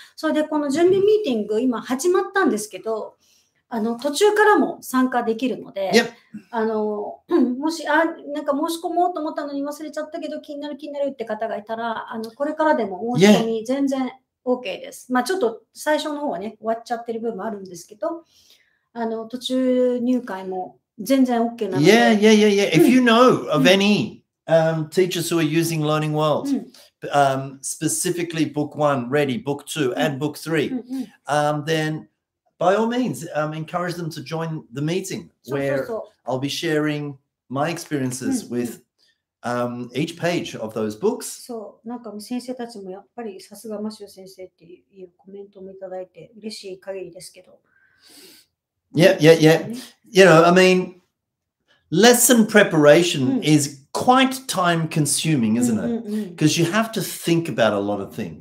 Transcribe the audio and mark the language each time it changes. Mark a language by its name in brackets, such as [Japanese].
[Japanese] それで、この準備ミーティング、今始まったんですけど、途中からも参加できるので、もし、なんか申し込もうと思ったのに忘れちゃったけど、気になる気になるって方がいたら、これからでも申し込み全然、OK です。まあちょっと最初の方はね、終わっちゃってる部分もあるんですけど、途中入会も全然 OK なので。 [English] Yeah, yeah, yeah, yeah. If you know of any teachers who are using Learning World, specifically Book 1 ready, Book 2 and Book 3, then by all means, encourage them to join the meeting where I'll be sharing my experiences with each page of those books. [Japanese] そう、なんか先生たちもやっぱりさすがマシュー先生っていうコメントもいただいて嬉しい限りですけど。 [English] Yeah, yeah, yeah. You know, I mean, lesson preparation is quite time consuming, isn't it? Because you have to think about a lot of things.